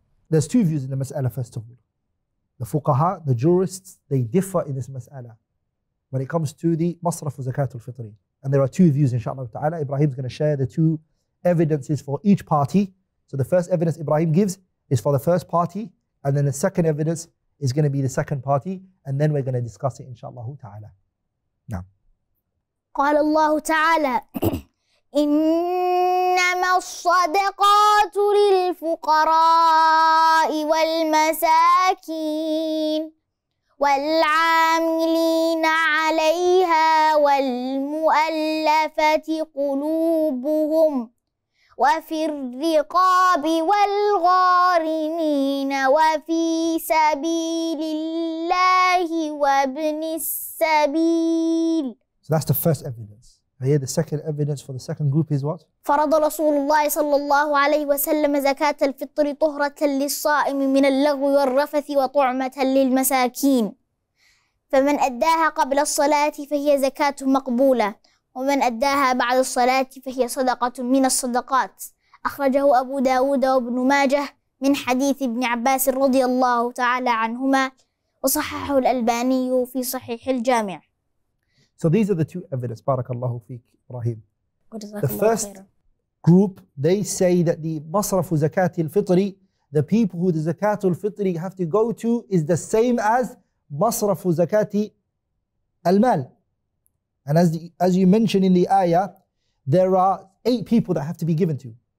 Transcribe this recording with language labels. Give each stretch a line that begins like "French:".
English: There's two views in the mas'ala, first of all. The fuqaha, the jurists, they differ in this mas'ala when it comes to the masraf zakat al-fitri. And there are two views, inshaAllah ta'ala. Ibrahim's going to share the two evidences for each party. So the first evidence Ibrahim gives is for the first party, and then the second evidence is going to be the second party, and then we're going to discuss it, inshaAllah ta'ala. Now.
Arabic: قال الله تعالى إنما الصدقات للفقراء والمساكين والعاملين عليها والمؤلفة قلوبهم وفي الرقاب والغارمين وفي سبيل الله وابن السبيل.
English: So that's the first evidence. And here the second evidence for the second group is what?
Arabic: فرض رسول الله صلى الله عليه وسلم زكاة الفطر طهرة للصائم من اللغو والرفث وطعمة للمساكين. فمن أداها قبل الصلاة فهي زكاة مقبولة ومن أداها بعد الصلاة فهي صدقة من الصدقات. أخرجه أبو داود وابن ماجه من حديث ابن عباس رضي الله تعالى عنهما وصححه الألباني في صحيح الجامع.
English: So these are the two evidence.
Arabic: Barakallahu fik,
English: Ibrahim. The first group, they say that the masrafu zakat al-fitri, the people who the zakat al-fitri have to go to, is the same as masrafu zakat al-mal. And as you mentioned in the ayah, there are eight people that have to be given to.